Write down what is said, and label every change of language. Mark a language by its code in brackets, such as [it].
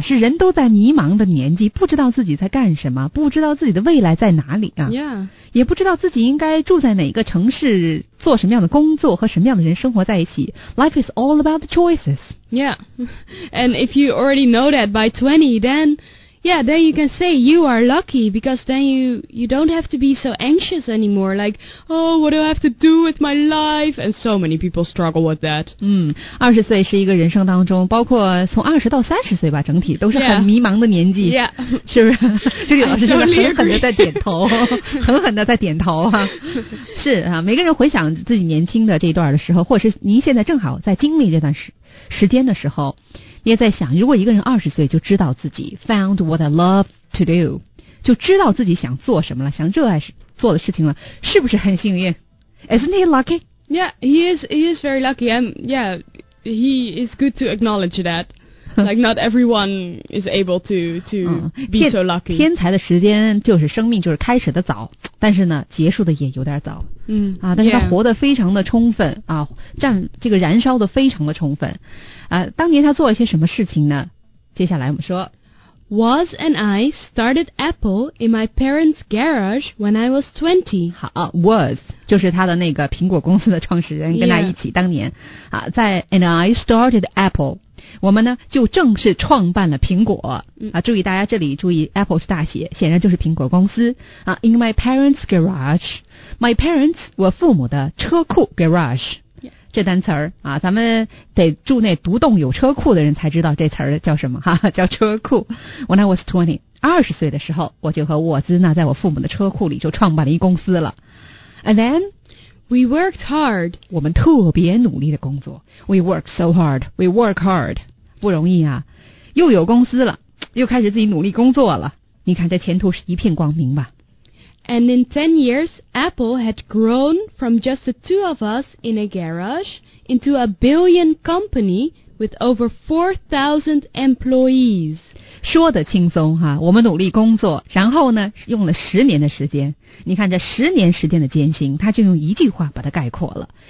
[zh] 是人都在迷茫的年纪，不知道自己在干什么，不知道自己的未来在哪里啊。 [en] Yeah. [zh] 也不知道自己应该住在哪个城市，做什么样的工作，和什么样的人生活在一起。 [en] Life is all about the choices. Yeah. And if you already know that by 20, then, yeah, then you can say you are lucky, because then you don't have to be so anxious anymore. Like, oh, what do I have to do with my life? And so many people struggle with that. [zh] 20岁是一个人生当中，包括从20到30岁吧，整体都是很迷茫的年纪。 [en] Yeah. [zh] 是不是？这里老师现在狠狠的在点头，狠狠的在点头啊。是啊，每个人回想自己年轻的这一段的时候，或者是您现在正好在经历这段时间的时候。你也在想，如果一个人20岁就知道自己 [en] found what I love to do， [zh] 就知道自己想做什么了，想热爱做的事情了，是不是很幸运？ [en] Isn't he lucky? Yeah, he is very lucky. Yeah, he is good to acknowledge that. Like not everyone is able to be so lucky. [zh] 天才的时间就是生命就是开始的早，但是呢，结束的也有点早。但是他活得非常的充分啊，这个燃烧的非常的充分。当年他做了些什么事情呢？接下来我们说 [en] Was and I started Apple in my parents' garage when I was 20. [zh] 好 ,was, 就是他的那个苹果公司的创始人跟他一起当年。 Yeah. 啊在 [en] and I started Apple, [zh] 我们呢就正式创办了苹果。啊注意大家这里注意 Apple 是大写显然就是苹果公司。啊 [en] in my parents' garage, my parents, [zh] 我父母的车库 garage。这单词儿啊咱们得住那独栋有车库的人才知道这词儿叫什么哈、啊、叫车库。 [en] When I was 20, [zh] 二十岁的时候我就和沃兹呢在我父母的车库里就创办了一公司了。 [en] And then, we worked hard. [zh] 我们特别努力的工作。 [en] We worked so hard, we work hard. [zh] 不容易啊又有公司了又开始自己努力工作了。你看这前途是一片光明吧。 [en] And in 10 years, Apple had grown from just the two of us in a garage into a billion company with over 4,000 employees. [zh] 说得轻松哈、啊、我们努力工作然后呢用了十年的时间。你看这十年时间的艰辛他就用一句话把它概括了。